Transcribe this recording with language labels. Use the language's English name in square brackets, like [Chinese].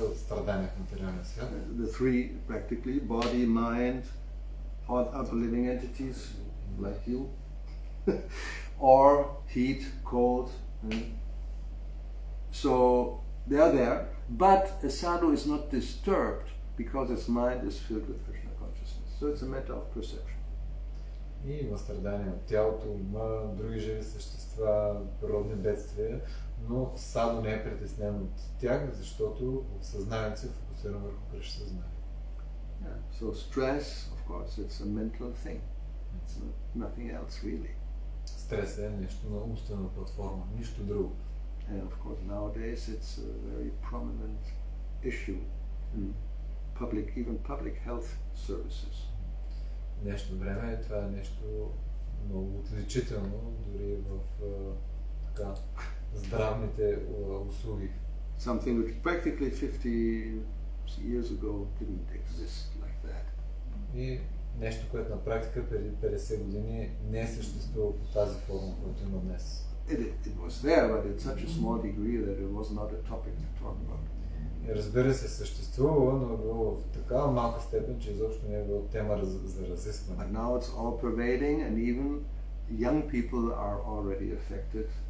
[English] The three, practically, body, mind, other living entities, like you, or heat, cold. So they are there, but a sadhu is not disturbed because his mind is filled with Krishna consciousness. So it's a matter of perception. [Bulgarian] И има страдания от тялото, ума, други живи същества, природни бедствия, но сато не е притеснен от тях, защото съзнанието се фокусира върху Кришна съзнание. [English] Yeah. So stress, of course, it's a mental thing. It's nothing else really. [Bulgarian] Стрес е нещо на умствена платформа, нищо друго. [English] And of course nowadays it's a very prominent issue in public, even public health services. [Bulgarian] Днешно време това е нещо много отличително, дори в така, здравните услуги. [English] Something which practically 50 years ago didn't exist like that. [Bulgarian] И нещо, което на практика преди 50 години не е съществувало по тази форма, която има днес. [English] It was there, but in such a small degree that it was not a topic to talk about. [Bulgarian] Разбира се, съществува, но било в такава малка степен, че изобщо не е било тема за разискване. [English] But now it's all pervading and even young people are already affected.